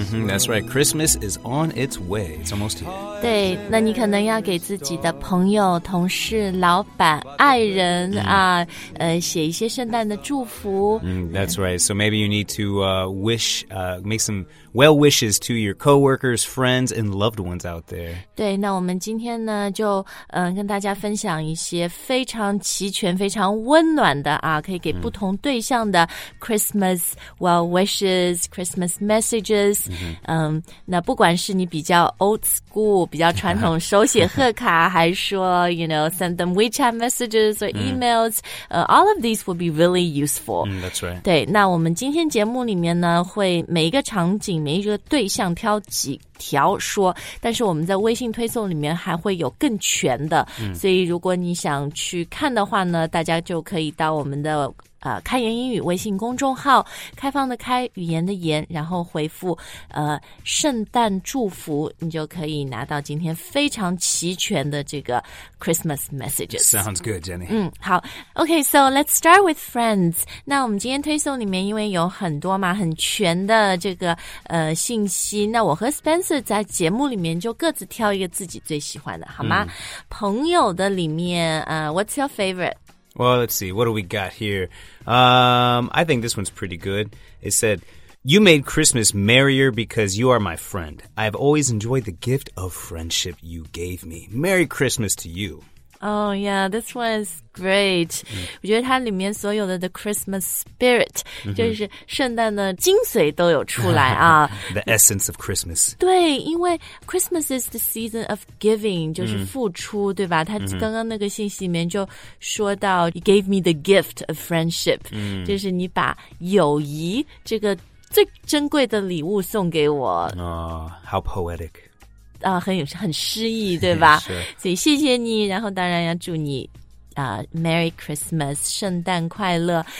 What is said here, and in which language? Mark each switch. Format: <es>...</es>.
<en>That's right, Christmas is on its way. It's almost here.</en> <zh>对，那你可能要给自己的朋友、同事、老板、爱人啊，写一些圣诞的祝福。</zh> <en>That's right. So maybe you need to make some well wishes to your coworkers, friends, and loved ones out there.</en> <zh>对，那我们今天呢，就跟大家分享一些非常齐全、非常温暖的啊，可以给不同对象的</zh> <en>Christmas well wishes, Christmas messages.</en> <zh>那不管是你比较 old school。比较传统手写贺卡还说</zh> <en>you know, send them WeChat messages or emails, all of these would be really useful. That's right.</en> <zh>对，那我们今天节目里面呢会每一个场景每一个对象挑几条说，但是我们在微信推送里面还会有更全的，所以如果你想去看的话呢，大家就可以到我们的开言英语微信公众号，开放的开，语言的言，然后回复圣诞祝福，你就可以拿到今天非常齐全的这个 Christmas messages.</zh> <en>Sounds good, Jenny. 好 ，OK, so let's start with friends.</en> <zh>那我们今天推送里面因为有很多嘛，很全的这个信息，那我和 Spencer 在节目里面就各自挑一个自己最喜欢的，好吗？朋友的里面</zh> <en>what's your favorite? Well, let's see. What do we got here? I think this one's pretty good. It said, You made Christmas merrier because you are my friend. I have always enjoyed the gift of friendship you gave me. Merry Christmas to you. Oh, yeah. This one's great.</en> <zh>我觉得它里面所有的</zh> <en>the Christmas spirit,</en> <zh>就是圣诞的精髓都有出来啊。</zh> <en>The essence of Christmas.</en> <zh>对，因为</zh> <en>Christmas is the season of giving,</en> <zh>就是付出，对吧？他刚刚那个信息里面就说到</zh> <en>you gave me the gift of friendship,</en> <zh>就是你把友谊这个最珍贵的礼物送给我。</zh> <en>How poetic.</en> <zh>很诗意，对吧？所以谢谢你，然后当然要祝你Merry Christmas, 圣诞快乐。</zh>